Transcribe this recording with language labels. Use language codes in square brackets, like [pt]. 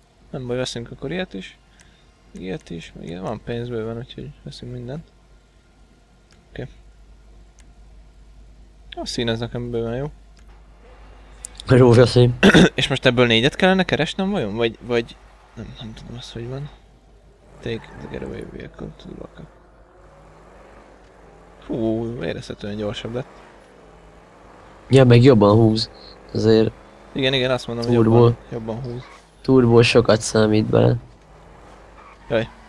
[hu] Nem baj, veszünk akkor ilyet is. Ilyet is, meg ilyet. Van pénz bőven, úgyhogy veszünk mindent. Oké. A szín ez nekem bőven jó. Rózsaszín. És most ebből négyet kellene keresnem vajon? Vagy... Nem tudom azt, hogy van. [en] Take the getaway vehicle to the lockup. [hu] Hú, érezhetően gyorsabb lett. Ja, meg jobban húz. Azért... Igen, azt mondom, hogy turbo. Jobban húz. Turbo sokat számít bele. Jaj.